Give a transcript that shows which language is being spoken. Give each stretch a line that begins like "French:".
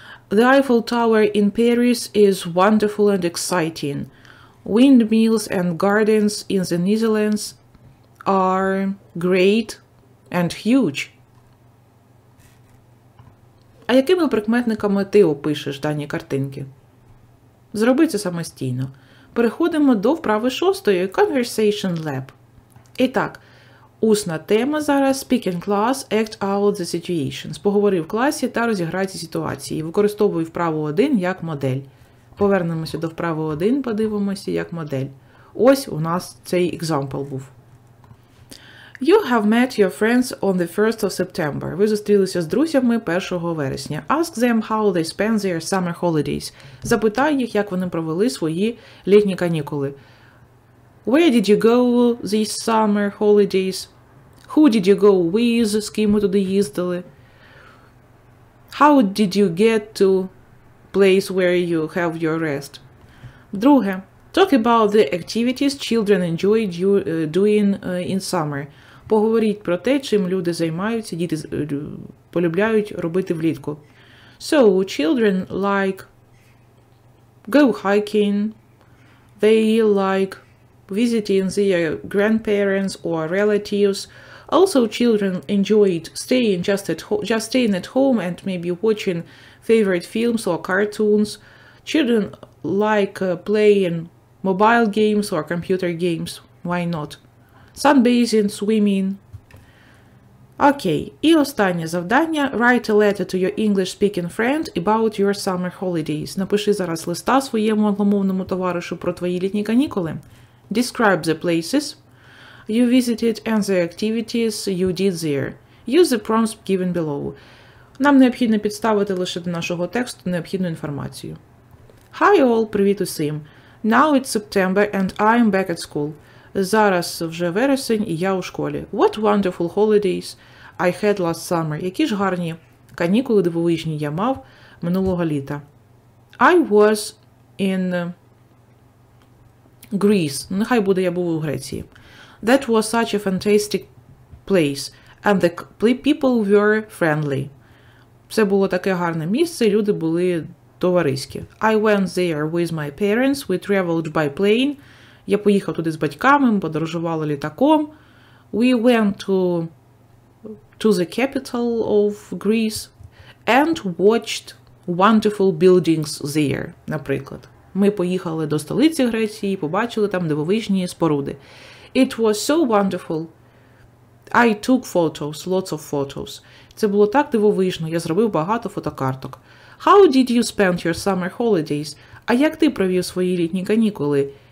English: The Eiffel Tower in Paris is wonderful and exciting. Windmills and gardens in the Netherlands are great and huge.
Ukrainian: А якими прикметниками ти опишеш дані картинки? Зроби це самостійно. Переходимо до вправи шостої –
English: Conversation Lab.
Ukrainian: І так, усна тема зараз –
English: Speaking Class, Act Out the Situations.
Ukrainian: Поговори в класі та розіграй ці ситуації. Використовуй вправу 1 як модель. Повернемося до вправи 1, подивимося як модель. Ось у нас цей екзампл був.
English: You have met your friends on the 1st of September.
Ukrainian: Ви зустрілися з друзями 1 вересня.
English: Ask them how they spend their summer holidays.
Ukrainian: Запитай їх, як вони провели свої літні канікули.
English: Where did you go these summer holidays? Who did you go with?
Ukrainian: З ким ми туди їздили?
English: How did you get to place where you have your rest?
Ukrainian: Друге.
English: Talk about the activities children enjoy doing in summer.
Ukrainian: Поговоріть про те, чим люди займаються, діти полюбляють робити влітку.
English: So, children like go hiking, they like visiting their grandparents or relatives. Also, children enjoyed staying just staying at home and maybe watching favorite films or cartoons. Children like playing mobile games or computer games. Why not? Sunbathing, swimming. Окей.
Ukrainian: І останнє завдання.
English: Write a letter to your English-speaking friend about your summer holidays.
Ukrainian: Напиши зараз листа своєму англомовному товаришу про твої літні канікули.
English: Describe the places you visited and the activities you did there. Use the prompts given below.
Ukrainian: Нам необхідно підставити лише до нашого тексту необхідну інформацію.
English: Hi all,
Ukrainian: привіт усім.
English: Now it's September and I'm back at school.
Ukrainian: Зараз вже вересень, і я у школі.
English: What wonderful holidays I had last summer.
Ukrainian: Які ж гарні канікули дивовижні я мав минулого літа.
English: I was in Greece.
Ukrainian: Нехай буде, я був у Греції.
English: That was such a fantastic place. And the people were friendly.
Ukrainian: Це було таке гарне місце, люди були товариські.
English: I went there with my parents. We traveled by plane.
Ukrainian: Я поїхав туди з батьками, подорожували літаком.
English: We went to the capital of Greece and watched wonderful buildings there,
Ukrainian: наприклад. Ми поїхали до столиці Греції і побачили там дивовижні споруди.
English: It was so wonderful. I took photos, lots of photos.
Ukrainian: Це було так дивовижно, я зробив багато фотокарток.
English: How did you spend your summer holidays?
Ukrainian: А як ти провів свої літні канікули?